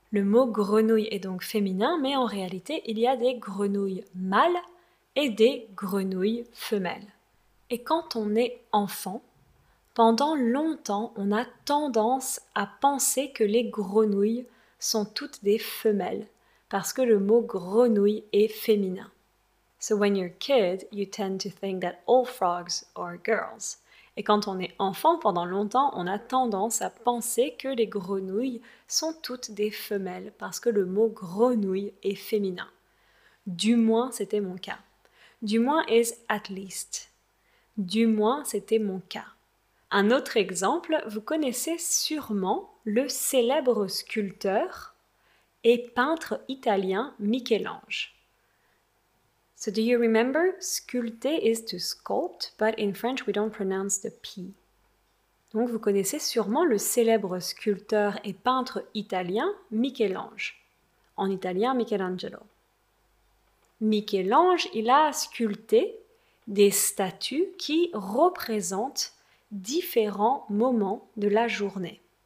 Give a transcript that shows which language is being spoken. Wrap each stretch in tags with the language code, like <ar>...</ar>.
<fr>Le mot « grenouille » est donc féminin, mais en réalité, il y a des grenouilles mâles et des grenouilles femelles. Et quand on est enfant, pendant longtemps, on a tendance à penser que les grenouilles sont toutes des femelles. Parce que le mot grenouille est féminin.</fr> <en>So when you're a kid, you tend to think that all frogs are girls.</en> <fr>Et quand on est enfant, pendant longtemps, on a tendance à penser que les grenouilles sont toutes des femelles, parce que le mot grenouille est féminin. Du moins, c'était mon cas. Du moins,</fr> <en>is at least.</en> <fr>Du moins, c'était mon cas. Un autre exemple, vous connaissez sûrement le célèbre sculpteur et peintre italien Michel-Ange.</fr> <en>So do you remember? Sculpter is to sculpt, but in French we don't pronounce the P.</en> <fr>Donc vous connaissez sûrement le célèbre sculpteur et peintre italien Michel-Ange. En italien, Michelangelo. Michel-Ange, il a sculpté des statues qui représentent différents moments de la journée.</fr>